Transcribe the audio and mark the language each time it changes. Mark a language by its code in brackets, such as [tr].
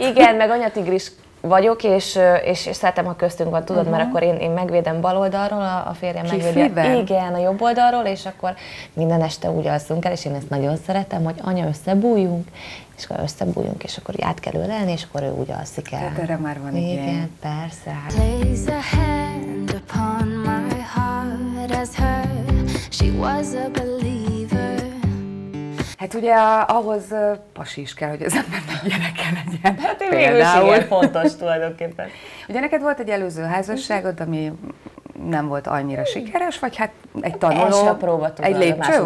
[hu] Igen, meg anyatigris vagyok, és szeretem, ha köztünk van, tudod, mert akkor én megvédem bal oldalról, a férjem megvédi a jobb oldalról, és akkor minden este úgy alszunk el, és én ezt nagyon szeretem, hogy anya, összebújjunk, és akkor összebújjunk, és akkor át kell ölelni, és akkor ő úgy alszik el. Hát erre már van igen. Igen, persze. [en] Place a hand upon my heart as her. She was a believer. [hu] Hát ugye ahhoz pasi is kell, hogy az embernek gyereke legyen. Hát én végül is igen fontos tulajdonképpen. Ugye neked volt egy előző házasságod, ami nem volt annyira sikeres, vagy hát egy tanuló, próba, tudom, egy lépcső a második